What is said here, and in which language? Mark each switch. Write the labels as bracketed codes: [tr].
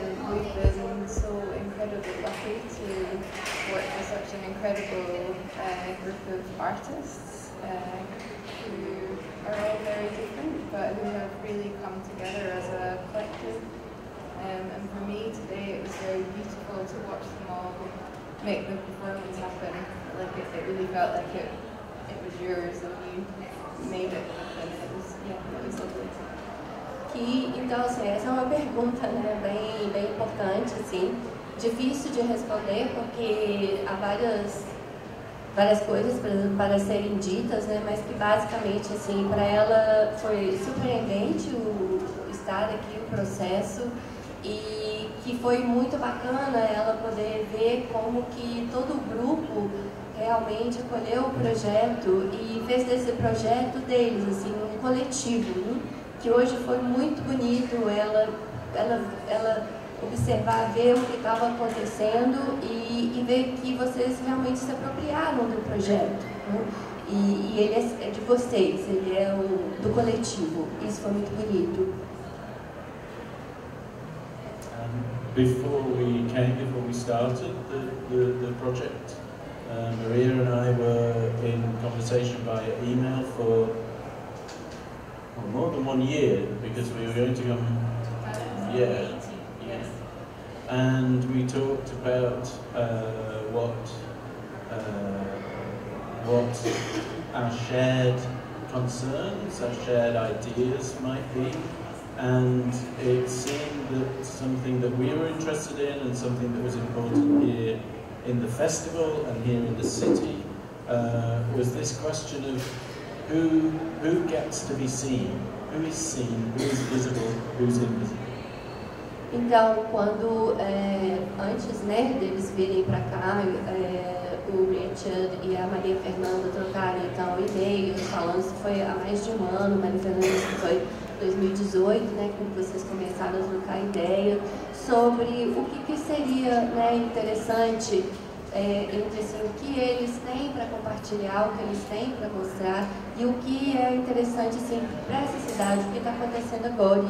[en] We've been so incredibly lucky to work with such an incredible group of artists who are all very different, but who have really come together as a collective. And for me today, it was very beautiful to watch them all make the performance happen. Like it really felt like it was yours and you made it happen. It was lovely. [pt] E, então, assim, essa é uma pergunta, né, bem importante, assim, difícil de responder porque há várias coisas, por exemplo, para serem ditas, né, mas que basicamente, assim, para ela foi surpreendente o estar aqui, o processo, e que foi muito bacana ela poder ver como que todo o grupo realmente acolheu o projeto e fez desse projeto deles, assim, um coletivo, né? Que hoje foi muito bonito ela observar, ver o que estava acontecendo e ver que vocês realmente se apropriaram do projeto, né? E ele é de vocês, ele é do coletivo. Isso foi muito bonito. [en] Before we started the project, Maria and I were in conversation via email for more than 1 year, because we were going to come, yes. And we talked about what our shared concerns, our shared ideas might be, and it seemed that something that we were interested in and something that was important here in the festival and here in the city was this question of who gets to be seen, Who is seen? Who is visible? Who is invisible? [pt] Então, quando antes, né, deles virem para cá, o Richard e a Maria Fernanda trocaram então e-mails falando que foi há mais de um ano, Maria Fernanda, que foi 2018, né, que vocês começaram a trocar ideia sobre o que, que seria, né, interessante entre assim, o que eles têm para compartilhar, o que eles têm para mostrar e o que é interessante assim, para essa cidade, o que está acontecendo agora.